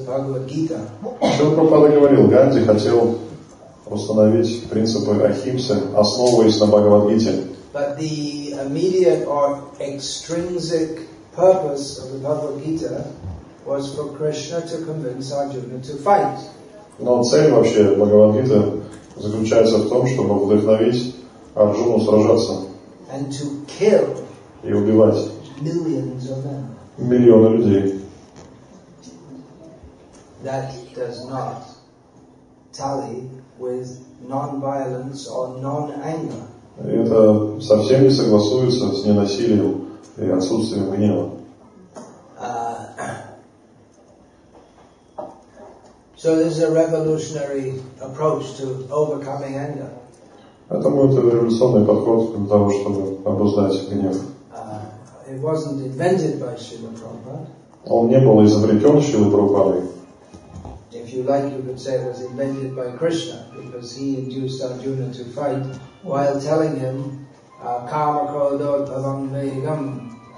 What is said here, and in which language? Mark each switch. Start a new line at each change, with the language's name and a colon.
Russian: Шрила Прабхупада говорил, Ганди хотел установить принципы ахимсы, основываясь на Бхагавад-гите.
English: But the immediate or extrinsic purpose of the Bhagavad-gita was for Krishna to convince Arjuna to fight.
Russian: Но цель вообще Бхагавад-гита заключается в том, чтобы вдохновить Арджуну сражаться.
English: And to kill.
Russian: И убивать.
English: Millions of men.
Russian: Миллионы людей.
English: That does not tally with non-violence or non-anger.
Russian: Это совсем не согласуется с ненасилием и отсутствием гнева.
English: So this is a revolutionary approach to overcoming anger.
Russian: Поэтому это революционный подход для того, чтобы обуздать гнев.
English: It wasn't invented by Srila Prabhupada.
Russian: Он не был изобретен Шрилой Прабхупадой.
English: If you like, you could say it was invented by Krishna, because he induced Arjuna to fight while telling him,
Sanskrit: Kama Krodha Tavam Vegam.